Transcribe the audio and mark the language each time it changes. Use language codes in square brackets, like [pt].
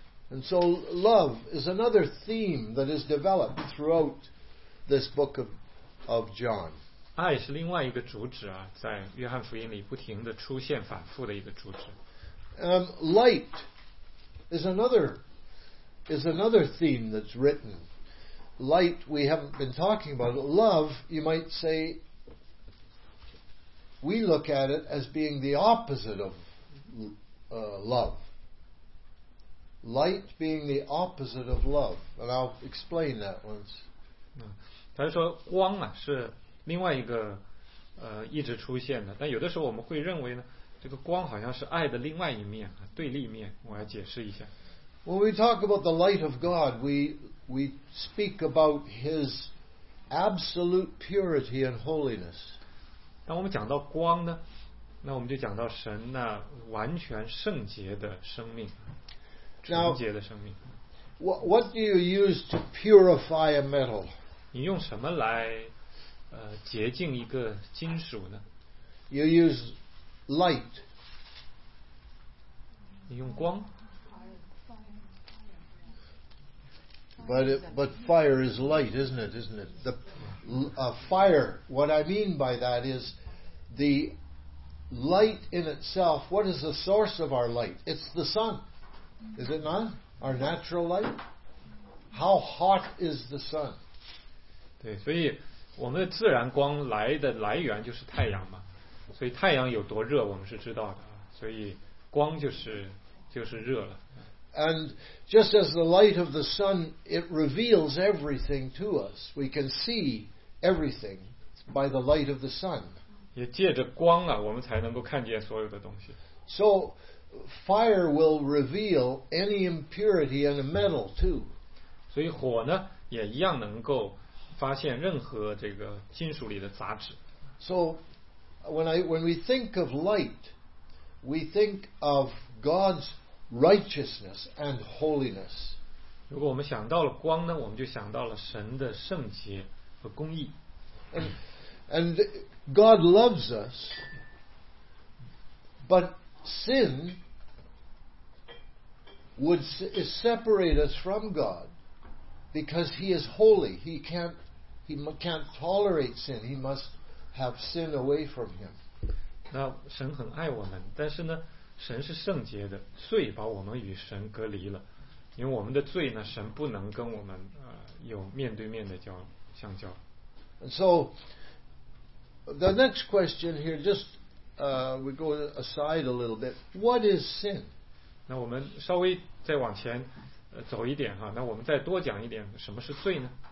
[en] And so love is another theme that is developed throughout this book of John. [zh] 爱是另外一个主旨啊，在约翰福音里不停的出现反复的一个主旨。 [en] Light is another theme that's written. Light we haven't been talking about. Love, you might say, we look at it as being the opposite of love. Light being the opposite of love. And I'll explain that once. [zh] 他说光啊是另外一个一直出现的，但有的时候我们会认为呢，这个光好像是爱的另外一面，对立面，我要解释一下。 [en] When we talk about the light of God, we speak about His absolute purity and holiness. [zh] 当我们讲到光呢，那我们就讲到神那完全圣洁的生命，纯洁的生命。 [en] Now, what do you use to purify a metal? [zh] 你用什么来洁净一个金属呢？ [en] You use light. [zh] 你用光。 [en] But fire is light, isn't it? The fire, what I mean by that is the light in itself, what is the source of our light? It's the sun, is it not? Our natural light? How hot is the sun? [zh] 对，所以我们的自然光来的来源就是太阳嘛，所以太阳有多热我们是知道的，所以光就是热了。 [en] And just as the light of the sun, it reveals everything to us. We can see everything by the light of the sun. [zh] 也借着光啊，我们才能够看见所有的东西。 [en] So fire will reveal any impurity in a metal too. [zh] 所以火呢，也一样能够发现任何这个金属里的杂质。 [en] So when we think of light, we think of God's righteousness and holiness. [zh] 如果我们想到了光呢，我们就想到了神的圣洁和公义。 [en] And God loves us, but sin would separate us from God because He is holy. He can't tolerate sin. He must have sin away from Him. [zh] 那神很爱我们，但是呢？神是圣洁的，罪把我们与神隔离了，因为我们的罪呢，神不能跟我们有面对面的相交。 [en] And so the next question here, we go aside a little bit. What is sin? [zh] 那我们稍微再往前走一点哈，那我们再多讲一点，什么是罪呢？